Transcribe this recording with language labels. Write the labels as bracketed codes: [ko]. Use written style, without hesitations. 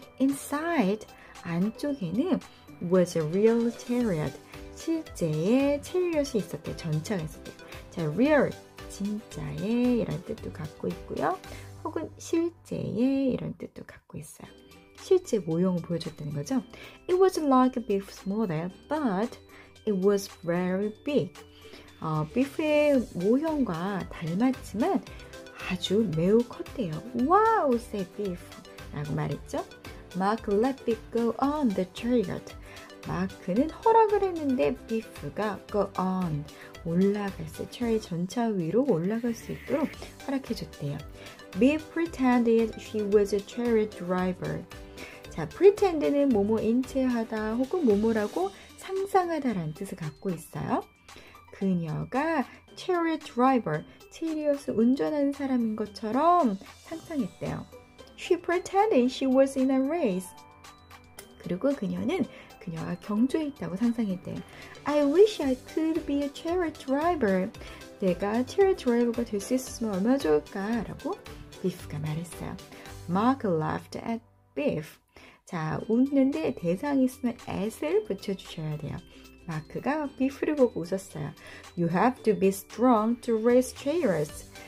[en] Inside, [ko] 안쪽에는 [en] was a real chariot. [ko] 실제의 chariot이 있었대요. 전차가 있었대요. 자, real, 진짜의 이런 뜻도 갖고 있고요. 혹은 실제의 이런 뜻도 갖고 있어요. 실제 모형을 보여줬다는 거죠. [en] It was like Biff's model, but it was very big. [ko] Biff의 모형과 닮았지만 아주 매우 컸대요. [en] Wow, said Biff. [ko] 라고 말했죠. [en] Mark let Biff go on the chariot. [ko] 마크는 허락을 했는데 Biff가 go on, 올라갈 수, 차라리 전차 위로 올라갈 수 있도록 허락해줬대요. [en] Biff pretended she was a chariot driver. [ko] 자, pretend는 뭐뭐 인체하다 혹은 뭐뭐라고 상상하다라는 뜻을 갖고 있어요. 그녀가 chariot driver, 체리엇을 운전하는 사람인 것처럼 상상했대요. [en] She pretended she was in a race. [ko] 그리고 그녀는 그녀가 경주에 있다고 상상했대요. [en] I wish I could be a chariot driver. [ko] 내가 chariot driver가 될 수 있으면 얼마나 좋을까? 라고 Biff가 말했어요. [en] Mark laughed at Biff. [ko] 자, 웃는데 대상이 있으면 at을 붙여주셔야 돼요. 마크가 비프를 보고 웃었어요. [en] You have to be strong to race chariots.